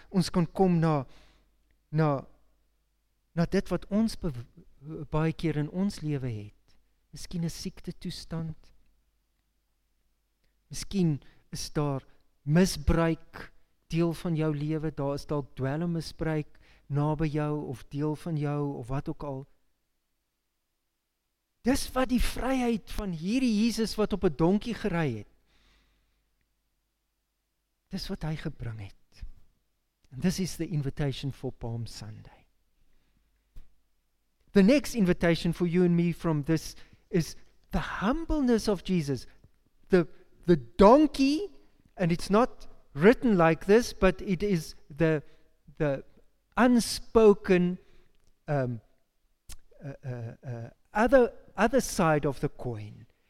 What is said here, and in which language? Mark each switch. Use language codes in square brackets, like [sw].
[af] Ons kan kom na dit wat ons baie keer in ons lewe het. Miskien 'n siekte toestand. Miskien is daar misbruik deel van jou lewe. Daar is dalk dwelmmisbruik naby jou of deel van jou of wat ook al. Dis wat die vryheid van hierdie Jesus wat op 'n donkie gery het. Dis wat hy gebring het. [en] And this is the invitation for Palm Sunday. The next invitation for you and me from this is the humbleness of Jesus. The donkey, and it's not written like this, but it is the unspoken other side of the coin.